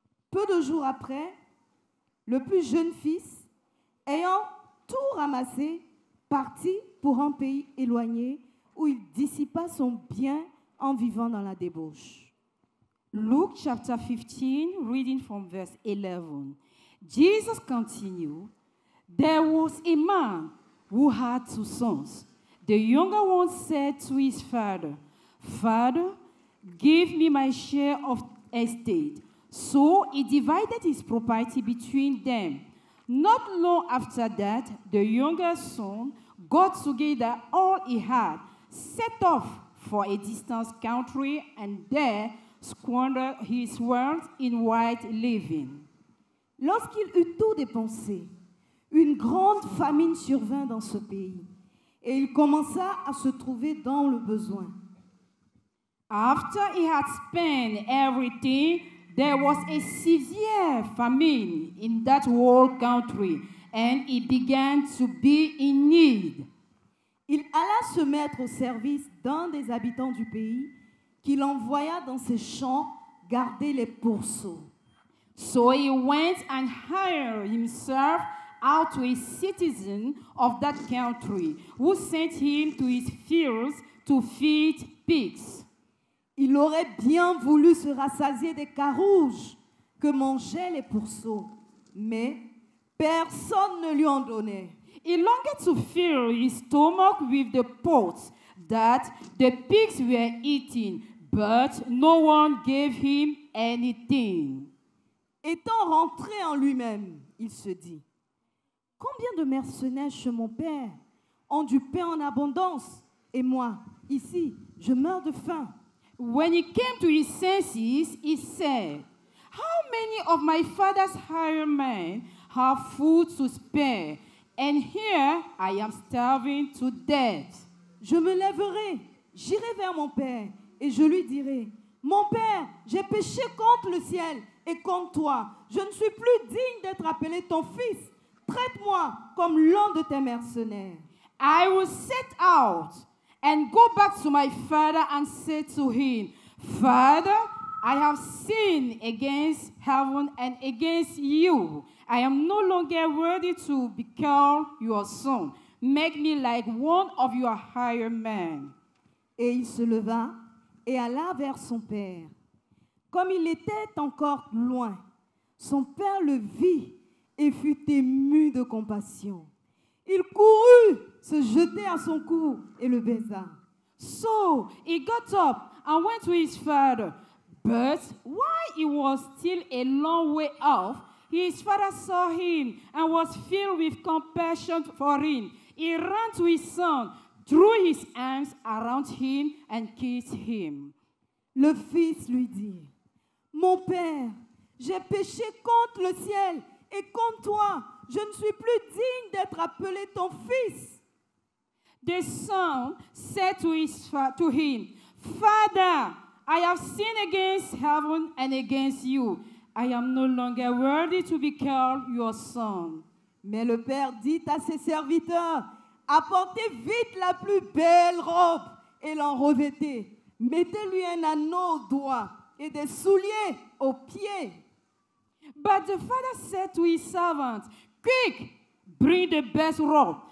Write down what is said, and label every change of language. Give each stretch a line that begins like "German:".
French: Peu de jours après, le plus jeune fils, ayant tout ramassé, partit pour un pays éloigné, où il dissipa son bien en vivant dans la débauche.
English: Luke chapter 15, reading from verse 11. Jesus continued, there was a man who had two sons. The younger one said to his father, Father, give me my share of estate. So he divided his property between them. Not long after that, the younger son got together all he had, set off for a distant country, and there squandered his wealth in wild living.
French: Lorsqu'il eut tout dépensé, une grande famine survint dans ce pays, et il commença à se trouver dans le besoin.
English: After he had spent everything, there was a severe famine in that whole country, and he began to be in need.
French: Il alla se mettre au service d'un des habitants du pays qu'il envoya dans ses champs garder les pourceaux.
English: So he went and hired himself out to a citizen of that country who sent him to his fields to feed pigs.
French: Il aurait bien voulu se rassasier des carouges que mangeaient les pourceaux, mais personne ne lui en donnait.
English: He longed to fill his stomach with the pots that the pigs were eating, but no one gave him anything.
French: Étant rentré en lui-même, il se dit, combien de mercenaires chez mon père ont du pain en abondance, et moi, ici, je meurs de faim.
English: When he came to his senses, he said, how many of my father's hired men have food to spare? And here I am starving to death.
French: Je me lèverai, j'irai vers mon père et je lui dirai, mon père, j'ai péché contre le ciel et contre toi. Je ne suis plus digne d'être appelé ton fils. Traite-moi comme l'un de tes mercenaires.
English: I will set out and go back to my father and say to him, Father, I have sinned against heaven and against you. I am no longer worthy to be called your son. Make me like one of your hired men.
French: Et il se leva et alla vers son père. Comme il était encore loin, son père le vit et fut ému de compassion. Il courut se jeter à son cou et le baisa.
English: So he got up and went to his father. But while he was still a long way off, his father saw him and was filled with compassion for him. He ran to his son, threw his arms around him and kissed him.
French: Le fils lui dit, mon père, j'ai péché contre le ciel et contre toi. Je ne suis plus digne d'être appelé ton fils.
English: The son said to him, Father, I have sinned against heaven and against you. I am no longer worthy to be called your son.
French: Mais le père dit à ses serviteurs, apportez vite la plus belle robe et l'en revêtez. Mettez-lui un anneau au doigt et des souliers aux pieds.
English: But the father said to his servant, quick, bring the best robe